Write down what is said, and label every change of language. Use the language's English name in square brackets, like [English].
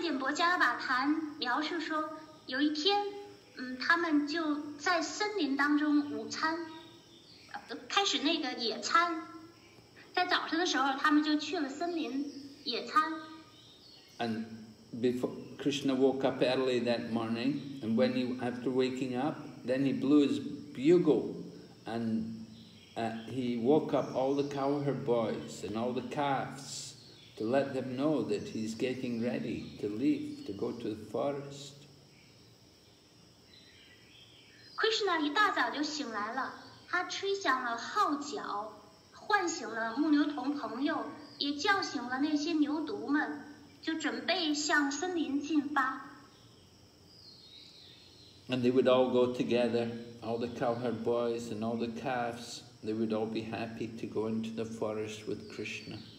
[Chinese] 圣典伯加拉巴坛描述说, 有一天, 他们就在森林当中午餐, 开始那个野餐, 在早晨的时候, 他们就去了森林野餐。 [English] And before Krishna woke up early that morning, and when he, after waking up, then he blew his bugle, and he woke up all the cowherd boys and all the calves to let them know that he's getting ready to leave, to go to the forest. [Chinese] Krishna 一大早就醒来了，他吹响了号角，唤醒了牧牛童朋友，也叫醒了那些牛犊们。 [English] And they would all go together, all the cowherd boys and all the calves, they would all be happy to go into the forest with Krishna.